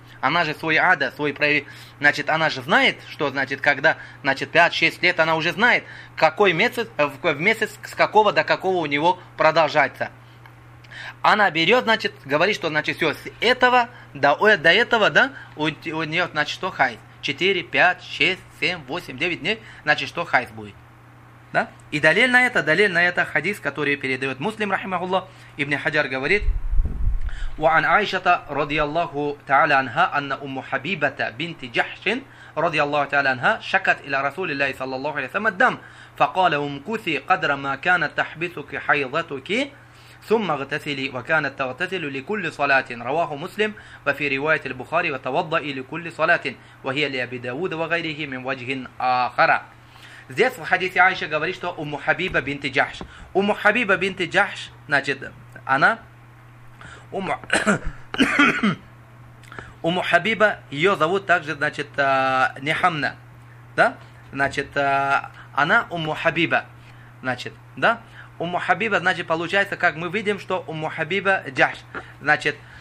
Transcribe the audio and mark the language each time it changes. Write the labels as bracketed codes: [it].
[ru] Она же свой ада, свой проявил. Значит, она же знает, что значит, когда, значит, 5-6 лет, она уже знает, какой месяц, в месяц, с какого до какого у него продолжается. Она берет, значит, говорит, что, значит, все, с этого до этого, да, у нее, значит, что хайз. 4, 5, 6, 7, 8, 9 дней, значит, что хайз будет. Да? И далель на это хадис, который передает Муслим, рахимахуллах, Ибн Хаджар говорит, [ar] وعن عائشة رضي الله تعالى عنها أن أم حبيبة بنت جحش رضي الله تعالى عنها شكت إلى رسول الله صلى الله عليه وسلم الدم فقال امكثي قدر ما كانت تحبسك حيضتك ثم اغتسلي وكانت تغتسل لكل صلاة رواه مسلم وفي رواية البخاري وتوضئي لكل صلاة وهي لأبي داود وغيره من وجه آخر. [ru] Здесь в хадисе Аиша говорит, что Умму Хабиба бинт Джахш. Умму Хабиба бинт Джахш, значит, она Уму Хабиба, ее зовут также, значит, Нехамна, да, значит, она Уму Хабиба, значит, да, Уму Хабиба, значит, получается, как мы видим, что Уму Хабиба Джахш, значит,